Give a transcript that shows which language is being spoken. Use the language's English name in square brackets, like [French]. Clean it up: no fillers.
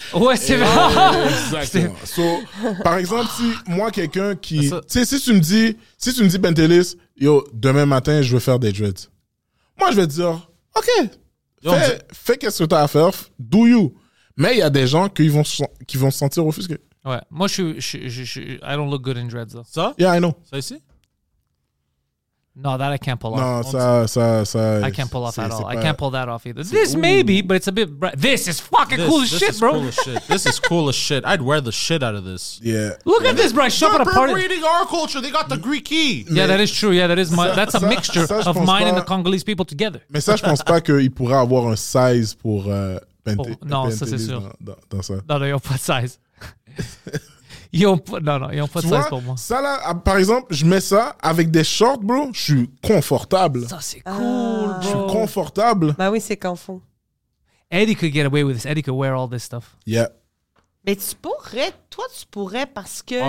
[French] Ouais, c'est vrai. Exactement. Par exemple, si moi, quelqu'un qui... Tu sais, si tu me dis, Bentelis, yo, demain matin, je veux faire des dreads. Moi, je vais te dire, OK, fais qu'est-ce que t'as à faire. [English] Do you. [French] Mais il y a des gens qui vont se sentir offusqués. Ouais. Moi, je [English] I don't look good in dreads, though. [French] Ça? [English] Yeah, I know. [French] Ça ici? [English] No, that I can't pull off. No, [French] ça. [English] I can't pull off at all. I can't pull that off either. This maybe, but it's a bit bright. This is fucking cool as shit, bro. This is cool as shit. I'd wear the shit out of this. Yeah. Look at this, bro. I show up at a party. They're appropriating our culture. They got the Greek key. Yeah, that is true. Yeah, that is my. That's a mixture of mine and the Congolese people together. [French] Mais ça, je pense pas qu'il pourrait avoir un size pour Bentelis. Non, ça c'est sûr. Dans ça. Non, ils ont pas de size. Ils ont pas de size pour moi. Ça là, par exemple, je mets ça avec des shorts, bro. Je suis confortable. Ça, c'est cool, bro. Je suis confortable. Bah oui, c'est confort. [English] Eddie could get away with this. Eddie could wear all this stuff. Yeah. [French] Mais tu pourrais, toi, tu pourrais parce que...